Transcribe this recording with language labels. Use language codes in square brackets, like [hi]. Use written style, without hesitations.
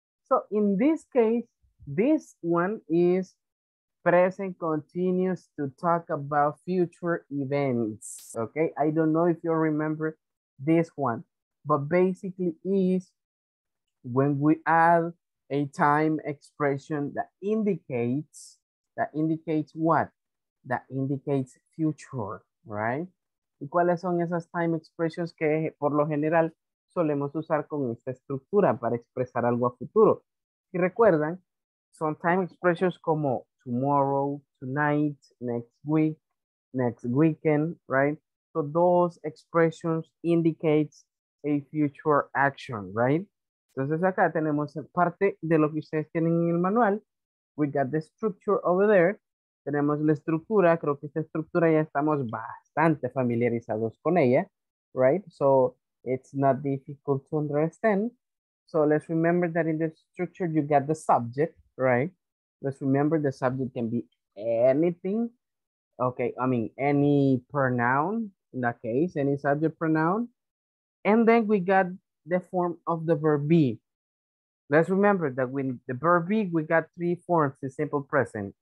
[en] So in this case, this one is present continues to talk about future events, okay? I don't know if you remember this one, but basically is when we add a time expression that indicates what? That indicates future, right? [es] ¿Y cuáles son esas time expressions que por lo general solemos usar con esta estructura para expresar algo a futuro? Si recuerdan, son time expressions como tomorrow, tonight, next week, next weekend, right? [en] So those expressions indicate a future action, right? [es] Entonces acá tenemos parte de lo que ustedes tienen en el manual. [en] We got the structure over there. [es] Tenemos la estructura. Creo que esta estructura ya estamos bastante familiarizados con ella, right? [en] So it's not difficult to understand. So let's remember that in the structure, you got the subject, right? Let's remember the subject can be anything. Okay, I mean, any pronoun in that case, any subject pronoun. And then we got the form of the verb be. Let's remember that when the verb be, we got three forms in simple present.